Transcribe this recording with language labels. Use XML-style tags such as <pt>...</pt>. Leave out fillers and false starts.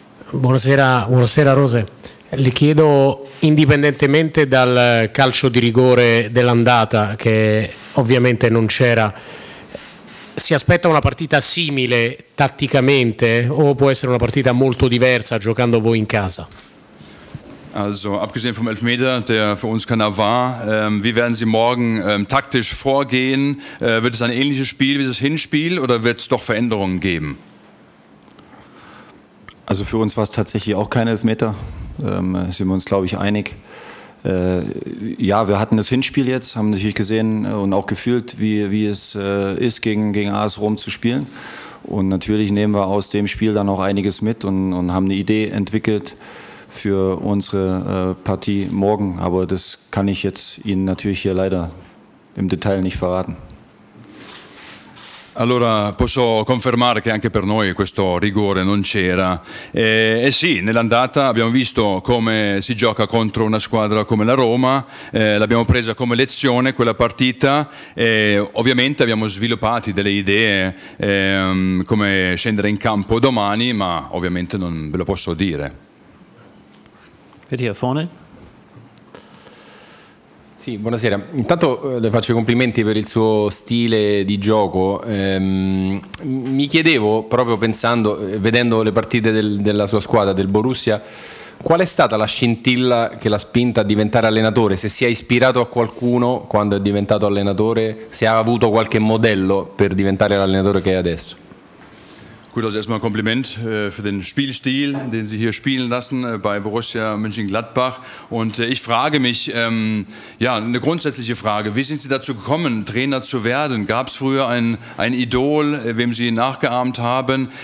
<it>Buonasera, buonasera Rose. Le chiedo, indipendentemente dal calcio di rigore dell'andata, che ovviamente non c'era, si aspetta una partita simile tatticamente o può essere una partita molto diversa giocando voi in casa?</it> <de>Also abgesehen vom Elfmeter, der für uns keiner war, wie werden Sie morgen taktisch vorgehen? Wird es ein ähnliches Spiel wie das Hinspiel oder wird es doch Veränderungen geben? Also für uns war es tatsächlich auch kein Elfmeter, sind wir uns glaube ich einig. Ja, wir hatten das Hinspiel jetzt, haben natürlich gesehen und auch gefühlt, wie es ist, gegen AS Rom zu spielen. Und natürlich nehmen wir aus dem Spiel dann auch einiges mit und haben eine Idee entwickelt für unsere Partie morgen. Aber das kann ich jetzt Ihnen natürlich hier leider im Detail nicht verraten.</de> <it>Allora posso confermare che anche per noi questo rigore non c'era. E sì, nell'andata abbiamo visto come si gioca contro una squadra come la Roma, l'abbiamo presa come lezione quella partita e ovviamente abbiamo sviluppato delle idee come scendere in campo domani, ma ovviamente non ve lo posso dire. Vedi a fone. Sì, buonasera. Intanto le faccio i complimenti per il suo stile di gioco. Mi chiedevo, proprio pensando, vedendo le partite della sua squadra, del Borussia, qual è stata la scintilla che l'ha spinta a diventare allenatore? Se si è ispirato a qualcuno quando è diventato allenatore? Se ha avuto qualche modello per diventare l'allenatore che è adesso?</it> <de>Gut, also erstmal ein Kompliment für den Spielstil, den Sie hier spielen lassen bei Borussia Mönchengladbach. Und ich frage mich, ja, eine grundsätzliche Frage, wie sind Sie dazu gekommen, Trainer zu werden? Gab es früher ein Idol, wem Sie nachgeahmt haben?</de>